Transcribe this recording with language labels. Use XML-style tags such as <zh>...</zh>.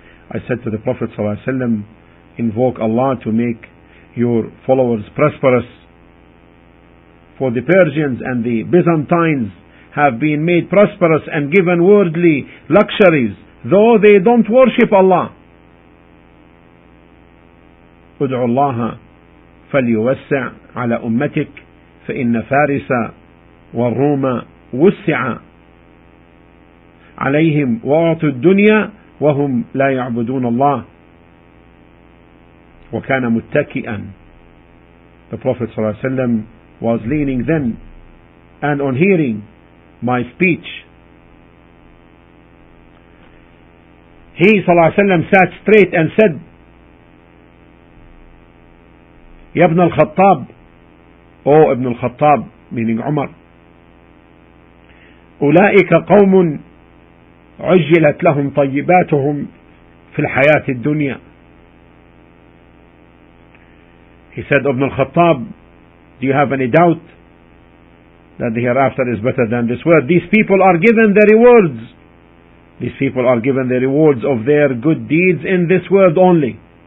<en>I said to the Prophet sallallahu alaihi wasallam, invoke Allah to make your followers prosperous, for the Persians and the Byzantines have been made prosperous and given worldly luxuries, though they don't worship Allah.</en> <ar>ادعوا الله فليوسع على أمتك فإن فارس والروم وسع عليهم وأعطوا الدنيا وهم لا يعبدون الله. وكان متكئا.</ar> <en>The Prophet</en> <ar>صلى الله عليه وسلم</ar> <en>was leaning then, and on hearing my speech, he</en> <ar>صلى الله عليه وسلم</ar> <en>sat straight and said,</en> <ar>يا ابن الخطاب, أو ابن الخطاب</ar> <en>meaning</en> <ar>عمر, أولئك قوم عجلت لهم طيباتهم في الحياة الدنيا.</ar> <en>He said, ابن الخطاب, do you have any doubt that the hereafter is better than this world? These people are given the rewards. These people are given the rewards of their good deeds in this world only.</en>